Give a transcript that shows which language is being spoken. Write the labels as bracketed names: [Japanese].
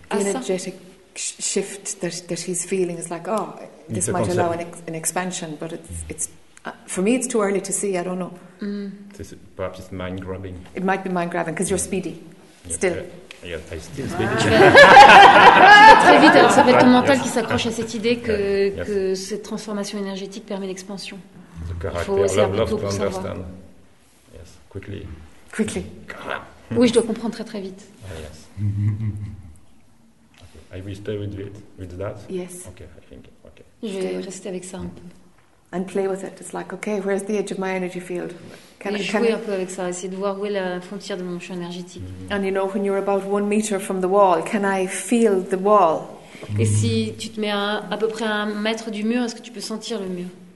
[English] The energetic shift that he's feeling is like, oh, this might allow an expansion, but it's for me, it's too early to see. I don't know. Perhaps it's mind grabbing. It might be mind grabbing because you're speedy. Yes, still. Yeah, I still speedy. [French] Tu vas très vite. Alors ça va être ton mental qui s'accroche à cette idée que cette transformation énergétique permet l'expansion. [English] The character. Love to understand. Savoir. Yes, quickly. Quickly. [French] Oui, je dois comprendre très très vite. [English] Ah, yes. Okay. I will stay with it. With that. Yes. Okay, I think. Okay. [French] Je vais rester avec ça un peu. [English] And play with it. It's like, okay, where's the edge of my energy field? [French] Jouer un peu avec ça, essayer de voir où est la frontière de mon champ énergétique. [English] And you know, when you're about 1 meter from the wall, can I feel the wall? [French] Et si tu te mets à peu près 1 mètre du mur, est-ce que tu peux sentir le mur?